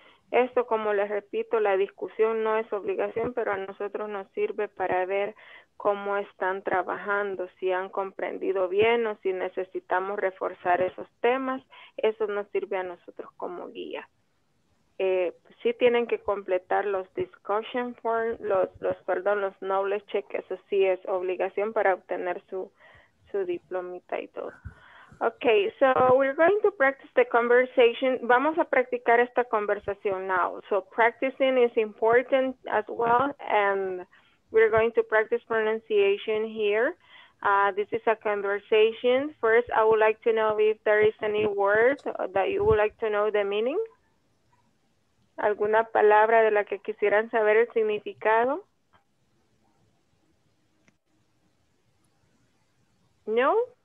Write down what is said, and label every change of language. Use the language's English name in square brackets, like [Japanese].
[Spanish] Esto, como les repito, la discusión no es obligación, pero a nosotros nos sirve para ver cómo están trabajando, si han comprendido bien o si necesitamos reforzar esos temas. Eso nos sirve a nosotros como guía. Sí tienen que completar los discussion forms, los knowledge check, eso sí es obligación para obtener su diplomita y todo. [English] Okay, so we're going to practice the conversation. [Spanish] Vamos a practicar esta conversación [English] now. So practicing is important as well, and we're going to practice pronunciation here. This is a conversation. First, I would like to know if there is any word that you would like to know the meaning. [Spanish] ¿Alguna palabra de la que quisieran saber el significado? No.